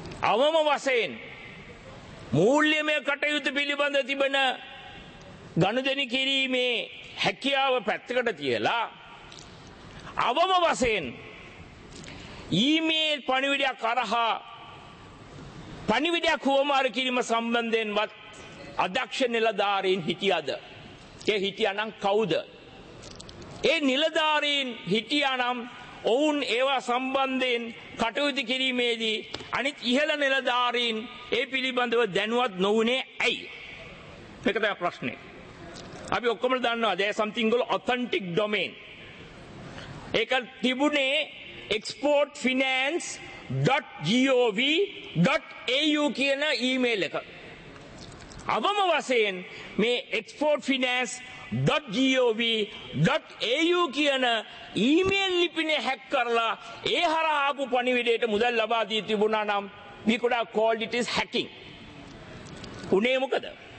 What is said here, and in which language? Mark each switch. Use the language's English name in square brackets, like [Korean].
[Sinhala] අවම වශයෙන් මූල්‍යමය කටයුතු පිළිබඳ තිබෙන ගනුදෙනු කිරීමේ හැකියාව පැත්තකට තියලා, අවම වශයෙන් ඊමේල් පණිවිඩයක් අරහා පණිවිඩයක් හුවමාරු කිරීම සම්බන්ධයෙන්වත් අධ්‍යක්ෂ නිලධාරීන් හිටියද? ඒ හිටියානම් කවුද? ඒ නිලධාරීන් හිටියානම් ඔවුන් ඒවා සම්බන්ධයෙන් කටයුතු කිරීමේදී අනිත් ඉහළ නිලධාරීන් ඒ පිළිබඳව දැනුවත් නොවුනේ ඇයි? මේක තමයි ප්‍රශ්නේ. අපි ඔක්කොම දන්නවා [English] there something called authentic domain. [Sinhala] ඒක තිබුණේ exportfinance.gov.au කියන ඊමේල් එක. අවම වශයෙන් මේ exportfinance.gov.au කියන ඊමේල් ලිපිනේ හැක් කරලා ඒ හරහා ආපු පණිවිඩයට මුදල් ලබා දී තිබුණා නම් [English] we could have called it as hacking. [Sinhala] උනේ මොකද?